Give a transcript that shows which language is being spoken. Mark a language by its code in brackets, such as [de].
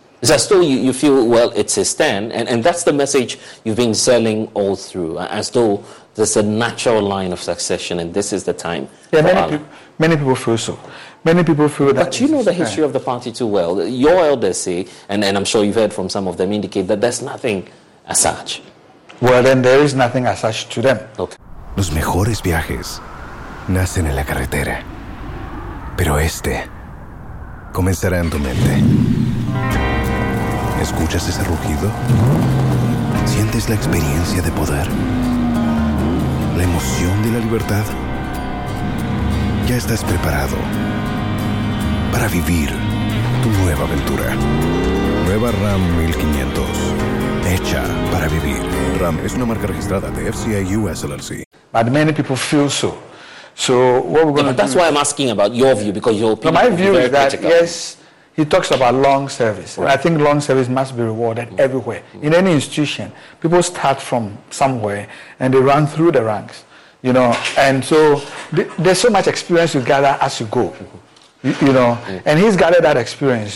[en] Is that still you feel, well, it's his turn, and that's the message you've been selling all through, as though there's a natural line of succession and this is the time. Yeah, many people feel so. Many people feel that. But you know the history of the party too well. Your elders say, and I'm sure you've heard from some of them, indicate that there's nothing as such. Well, then there is nothing as such to them. Okay. [es] Los mejores viajes nacen en la carretera, pero este comenzará en tu mente. ¿Escuchas ese rugido? ¿Sientes la experiencia de poder? ¿La emoción de la libertad? ¿Ya estás preparado para vivir tu nueva aventura. Nueva Ram 1500. Hecha para vivir. Ram es una marca registrada de FCA US LLC. [en] But many people feel so. So what we're going to do... That's why I'm asking about your view, because your opinion... No, my view is that, yes, he talks about long service. Right. I think long service must be rewarded everywhere. Mm-hmm. In any institution, people start from somewhere and they run through the ranks. You know, and so there's so much experience you gather as you go, you know, and he's gathered that experience.